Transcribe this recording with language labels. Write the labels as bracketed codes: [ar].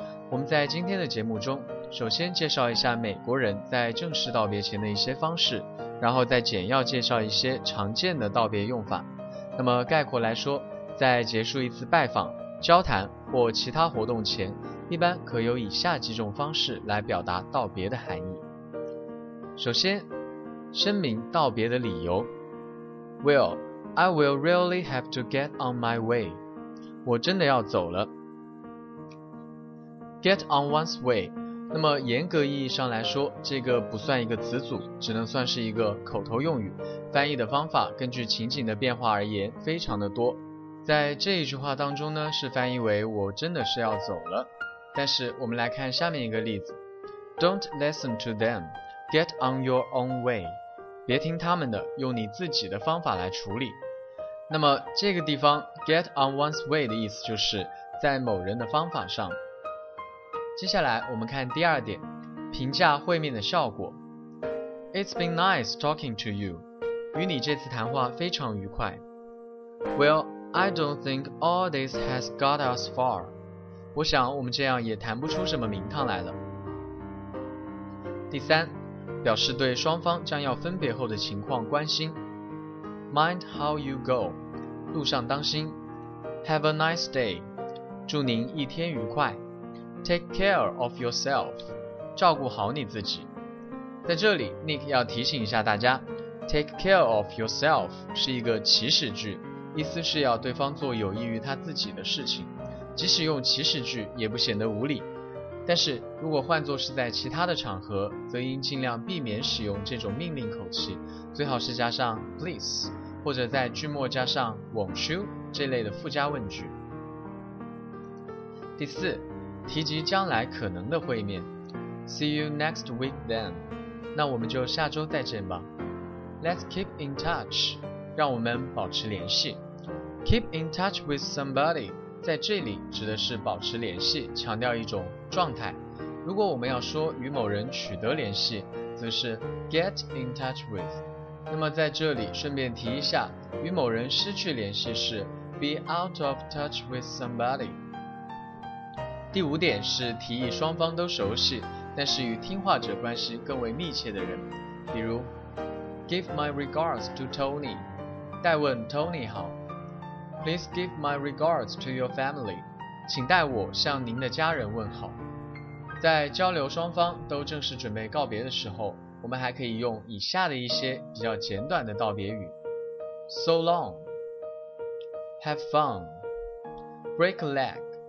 [zh] 我们在今天的节目中，首先介绍一下美国人在正式道别前的一些方式，然后再简要介绍一些常见的道别用法。那么概括来说，在结束一次拜访、交谈或其他活动前，一般可有以下几种方式来表达道别的含义。首先，声明道别的理由。 [en] Well, I will really have to get on my way. [zh] 我真的要走了。 [en] Get on one's way. [zh] 那么严格意义上来说，这个不算一个词组，只能算是一个口头用语。翻译的方法根据情景的变化而言非常的多。在这一句话当中呢，是翻译为我真的是要走了。但是我们来看下面一个例子。 [en] Don't listen to them. Get on your own way. [zh] 别听他们的，用你自己的方法来处理。那么这个地方 [en] get on one's way [zh] 的意思就是在某人的方法上。接下来我们看第二点，评价会面的效果。 [en] It's been nice talking to you. [zh] 与你这次谈话非常愉快。 [en] Well, I don't think all this has got us far. [zh] 我想我们这样也谈不出什么名堂来了。第三，表示对双方将要分别后的情况关心。 [en] Mind how you go. [zh] 路上当心。 [en] Have a nice day. [zh] 祝您一天愉快。 [en] Take care of yourself. [zh] 照顾好你自己。在这里 Nick 要提醒一下大家， [en] Take care of yourself [zh] 是一个祈使句，意思是要对方做有益于他自己的事情，即使用祈使句也不显得无礼。但是如果换作是在其他的场合，则应尽量避免使用这种命令口气，最好是加上 please, 或者在句末加上 [en] won't you [zh] 这类的附加问句。第四，提及将来可能的会面。 [en] See you next week then. [zh] 那我们就下周再见吧。 [en] Let's keep in touch. [zh] 让我们保持联系。 [en] Keep in touch with somebody. [zh] 在这里指的是保持联系，强调一种状态。如果我们要说与某人取得联系，则是 [en] get in touch with。 [zh] 那么在这里顺便提一下，与某人失去联系是 [en] be out of touch with somebody。 [zh] 第五点是提议双方都熟悉但是与听话者关系更为密切的人，比如 [en] give my regards to Tony， [zh] 代问 Tony 好。 [en] Please give my regards to your family. [zh] 请代我向您的家人问好。在交流双方都正式准备告别的时候，我们还可以用以下的一些比较简短的道别语。 [en] So long. Have fun. Break a leg.